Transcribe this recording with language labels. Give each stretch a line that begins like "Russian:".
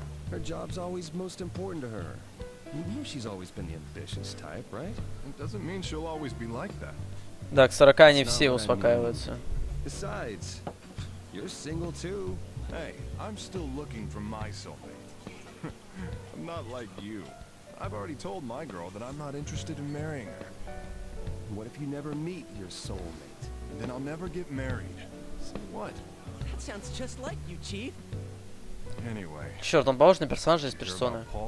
English: Her job's always most important to her. You know she's always been the ambitious type, right? It doesn't mean she'll always be like that.
Russian: Да, к 40 не все успокаиваются.
English: Besides, you're single too. Hey, I'm still looking for my soulmate. I'm not like you. I've already told my girl that I'm not interested in marrying her. What if you never meet your soulmate? And then I'll never get married. So what? That sounds just like you, Chief. Anyway,
Russian: черт, он похож на персонажа из персоны.